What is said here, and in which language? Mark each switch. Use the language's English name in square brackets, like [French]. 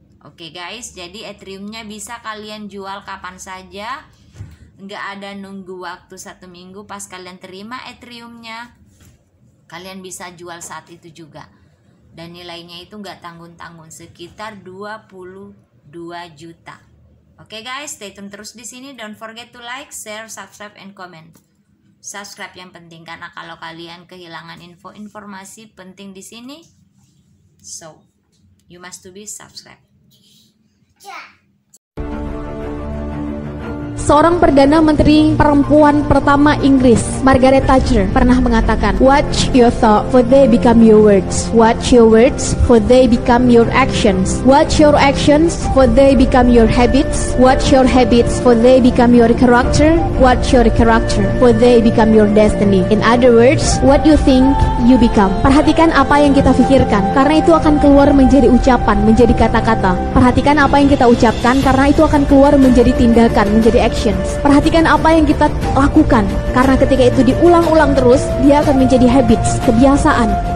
[Indonesian] Oke guys, jadi Ethereumnya bisa kalian jual kapan saja, nggak ada nunggu waktu satu minggu. Pas kalian terima Ethereumnya, kalian bisa jual saat itu juga, dan nilainya itu nggak tanggung-tanggung, sekitar 22 juta. Oke guys, [English] stay tune [Indonesian] terus di sini. [English] Don't forget to like, share, subscribe and comment. [Indonesian] Subscribe yang penting, karena kalau kalian kehilangan informasi penting di sini, [English] so you must to be subscribe. [Indonesian] Seorang Perdana Menteri perempuan pertama Inggris, Margaret Thatcher, pernah mengatakan, [English] "Watch your thoughts, for they become your words. Watch your words, for they become your actions. Watch your actions, for they become your habits. Watch your habits, for they become your character. Watch your character, for they become your destiny. In other words, what you think, you become." [Indonesian] Perhatikan apa yang kita pikirkan, karena itu akan keluar menjadi ucapan, menjadi kata-kata. Perhatikan apa yang kita ucapkan, karena itu akan keluar menjadi tindakan, menjadi actions. Perhatikan apa yang kita lakukan, karena ketika itu diulang-ulang terus, dia akan menjadi habits, kebiasaan.